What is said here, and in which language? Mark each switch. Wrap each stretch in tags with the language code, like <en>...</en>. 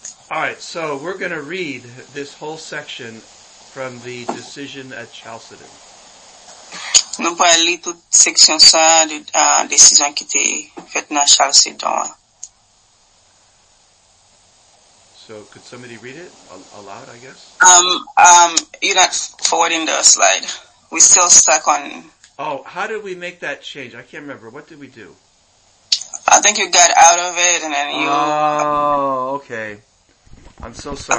<en>All right, so we're going to read this whole section from the decision at Chalcedon.</en> <fr>Nous pouvons lire toute section ça de la décision qui était faite à Chalcedon.</fr> <en>So, could somebody read it aloud, I guess? You're not forwarding the slide. We're still stuck on... Oh, how did we make that change? I can't remember. What did we do? I think you got out of it and then you... Oh, okay. I'm so sorry.</en>